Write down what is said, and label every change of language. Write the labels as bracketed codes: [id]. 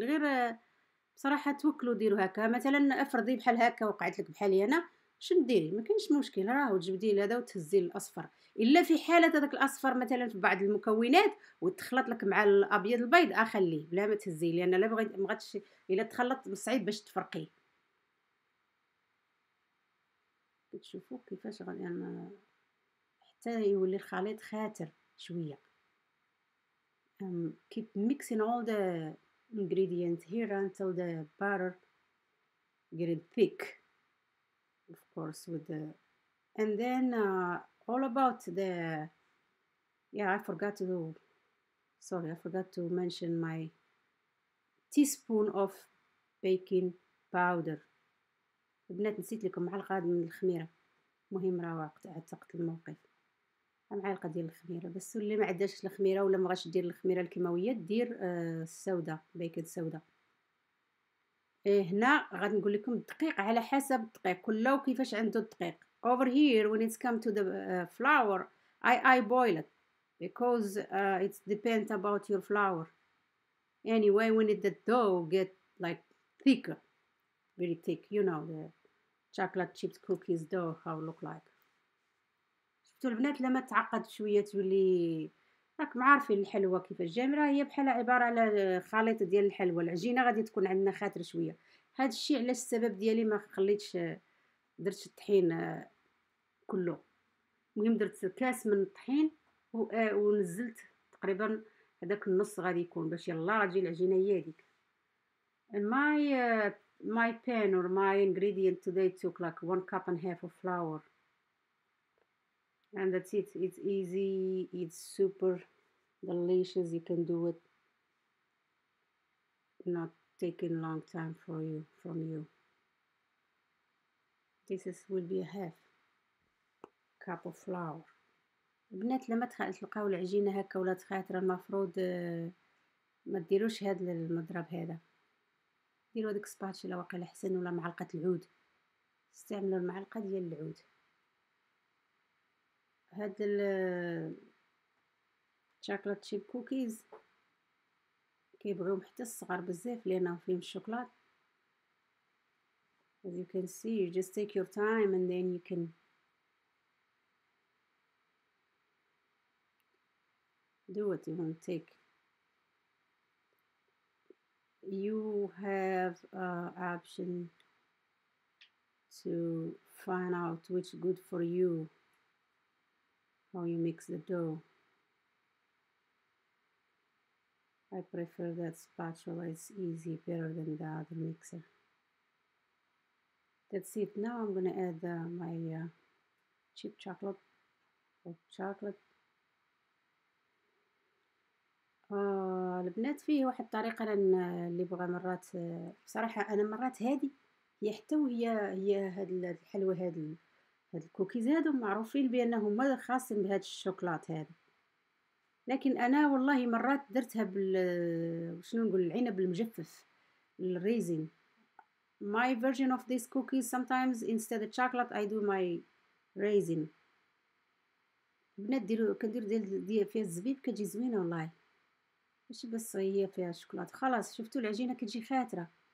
[ar] غير بصراحه توكلوا ديروا هكا. مثلا افرضي بحال هكا وقعت لك بحالي انا، شنو ديري؟ ما كاينش مشكل، راه تجبدي هذا وتهزي الاصفر، الا في حاله هذاك الاصفر مثلا في بعض المكونات وتخلط لك مع الابيض البيض اخليه بلا ما تهزيه، لان لا بغيت ما غاديش الا تخلط صعيب باش تفرقيه. كتشوفوا كيفاش غادي انا حتى يولي الخليط خاطر شويه. [en] Keep mixing all the ingredient here until the batter get thick, of course, with the, and then all about the, yeah, I forgot to, sorry, I forgot to mention my teaspoon of baking powder. [ar] البنات نسيت لكم معلقه من الخميره. مهم راه وقتها تقت الموقف معلقه ديال الخميره بس. واللي ما عندهاش الخميره ولا ما غاش دير الخميره الكيماويه دير السوداء بيكنج سودا. هنا غادي نقول لكم الدقيق على حسب الدقيق كله وكيفاش عنده الدقيق. [en] Over here when it's come to the flour I boil it because it depends about your flour. Anyway when the dough get like thicker, very thick, you know, the chocolate chips cookies dough, how look like. [ar] شفتوا البنات لما تعقد شوية تولي راك معارفين الحلوة كيفاش جامرة هي بحالة عبارة على خليط ديال الحلوة. العجينة غادي تكون عندنا خاطر شوية. هاد الشيء علاش السبب ديالي ما خليتش درتش الطحين كله. مهم درت كاس من الطحين ونزلت تقريبا هذاك النص غادي يكون باش يلا تجي العجينة هي هذيك. [en] My pan or my ingredient today took like 1.5 cups of flour, and that's it. It's easy. It's super delicious. You can do it. Not taking long time for you. From you. This is will be a 1/2 cup of flour. [ar] البنات لما تلقاو العجينة هكا ولا تخاطر المفروض ما تديروش هاد المضرب هذا. ديروا ديك سباتشيلا واقيلا حسن ولا معلقة العود. استعملوا المعلقة ديال العود. هاد ال شوكولات شيب كوكيز كيبغيو حتى الصغار بزاف لأن فيهم الشوكولات. [en] As you can see you just take your time and then you can do what you want to take. You have option to find out which good for you. How you mix the dough. I prefer that spatula. It's easy, better than the other mixer. That's it. Now I'm gonna add my chip chocolate or chocolate. [ar] البنات فيه واحد الطريقه لان اللي بغى مرات بصراحه انا مرات هادي هي حتى وهي هي هاد الحلوه هاد الكوكيز هادو معروفين بانهم خاصين بهاد الشوكولات هذا. لكن انا والله مرات درتها بال شنو نقول العنب المجفف الريزين. [en] My version of this cookie sometimes instead of chocolate I do my raisin. [ar] البنات ديروا كندير ديال فيها الزبيب كتجي زوينه والله. مش بس هي فيها شوكولاتة. خلاص شفتوا العجينة كتجي خاطرة.